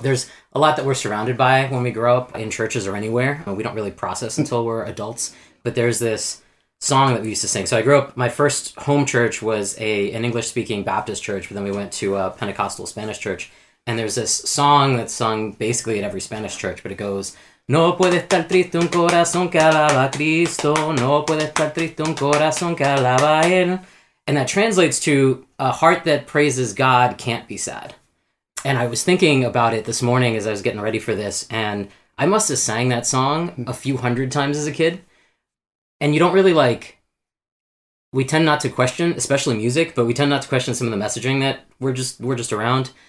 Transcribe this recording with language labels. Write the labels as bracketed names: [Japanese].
[English] There's a lot that we're surrounded by when we grow up in churches or anywhere. We don't really process until we're adults, but there's this song that we used to sing. So I grew up, my first home church was an English-speaking Baptist church, but then we went to a Pentecostal Spanish church. And there's this song that's sung basically at every Spanish church, but it goes, [Spanish] No puede estar triste un corazón que alaba a Cristo. No puede estar triste un corazón que alaba a él. [English] And that translates to, a heart that praises God can't be sad. And I was thinking about it this morning as I was getting ready for this, and I must have sang that song a few hundred times as a kid. And you don't really, like, we tend not to question, especially music, but we tend not to question some of the messaging that we're just around.